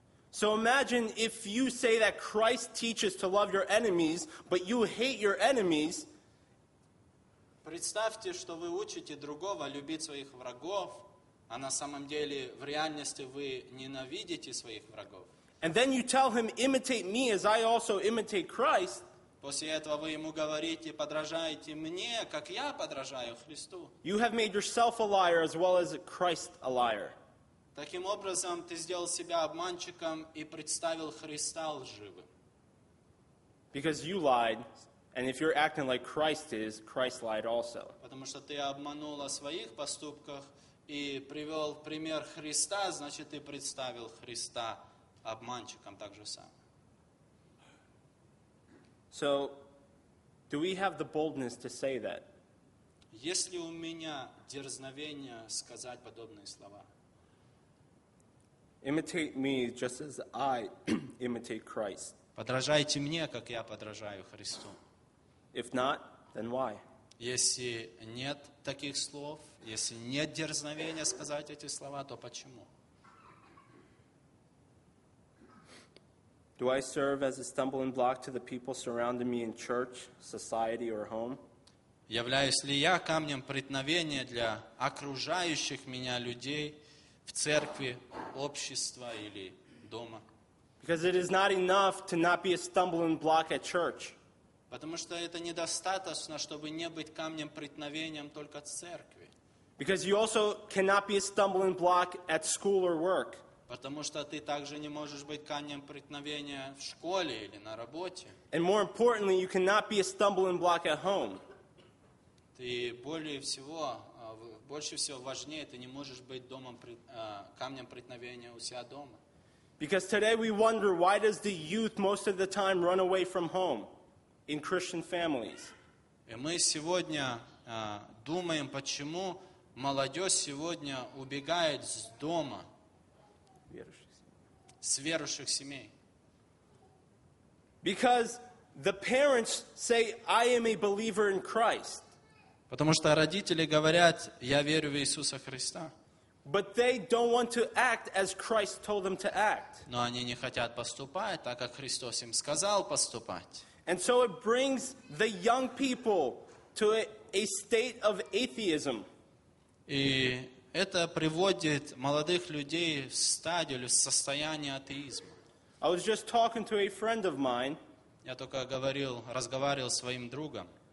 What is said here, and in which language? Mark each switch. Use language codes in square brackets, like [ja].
[en] So imagine if you say that Christ teaches to love your enemies, but you hate your enemies. [ru] Представьте, что вы учите другого любить своих врагов, а на самом деле в реальности вы ненавидите своих врагов. [en] And then you tell him, imitate me as I also imitate Christ. [ru] После этого вы ему говорите, подражайте мне, как я подражаю Христу. [en] You have made yourself a liar as well as Christ a liar. [ru] Таким образом, ты сделал себя обманщиком и представил Христа лживым. [en] Because you lied And if you're acting like Christ is, Christ lied also. [ru] Потому что ты обманул о своих поступках и привел пример Христа, значит, ты представил Христа обманщиком так же сам. [en] So, do we have the boldness to say that? [ru] Есть ли у меня дерзновение сказать подобные слова? [en] Imitate me just as I imitate Christ. [ru] Подражайте мне, как я подражаю Христу. [en] If not, then why? [ru] Если нет таких слов, если нет дерзновения сказать эти слова, то почему? [en] Do I serve as a stumbling block to the people surrounding me in church, society, or home? [ru] Являюсь ли я камнем преткновения для окружающих меня людей в церкви, общества или дома? [en] Because it is not enough to not be a stumbling block at church. [ru] Потому что это недостаточно, чтобы не быть камнем преткновением только в церкви. [en] Because you also cannot be a stumbling block at school or work. [ru] Потому что ты также не можешь быть камнем преткновения в школе или на работе. [en] And more importantly, you cannot be a stumbling block at home. [ru] Ты больше всего важнее, ты не можешь быть камнем преткновения у себя дома. [en] Because today we wonder why does the youth most of the time run away from home. In Christian families. [ru] И мы сегодня думаем, почему молодежь сегодня убегает с дома, с верующих семей. [en] Because the parents say, "I am a believer in Christ." [ru] Потому что родители говорят, я верю в Иисуса Христа. [en] But they don't want to act as Christ told them to act. [ru] Но они не хотят поступать, так как Христос им сказал поступать. [en] And so it brings the young people to a state of atheism. [ru] И это приводит молодых людей в стадию или в состояние атеизма. [en] I was just talking to a friend of mine. [ru] Я только разговаривал с своим другом.